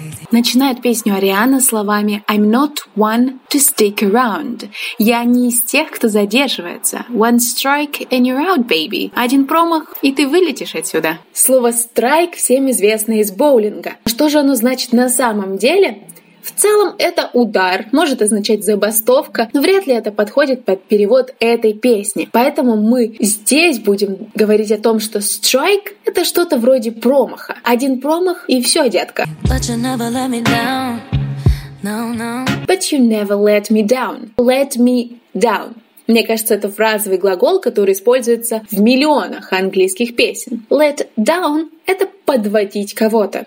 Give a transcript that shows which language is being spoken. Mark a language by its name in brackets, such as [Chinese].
[Russian] Начинает песню Ариана словами [English] I'm not one to stick around. [Russian] Я не из тех, кто задерживается. [English] One strike and you're out, baby. [Russian] Один промах, и ты вылетишь отсюда. Слово strike всем известно из боулинга. Что же оно значит на самом деле? В целом это удар, может означать забастовка, но вряд ли это подходит под перевод этой песни. Поэтому мы здесь будем говорить о том, что strike — это что-то вроде промаха. Один промах — и все, детка. [English] But you never let me down. Let me down. [Russian] Мне кажется, это фразовый глагол, который используется в миллионах английских песен. Let down — это подводить кого-то.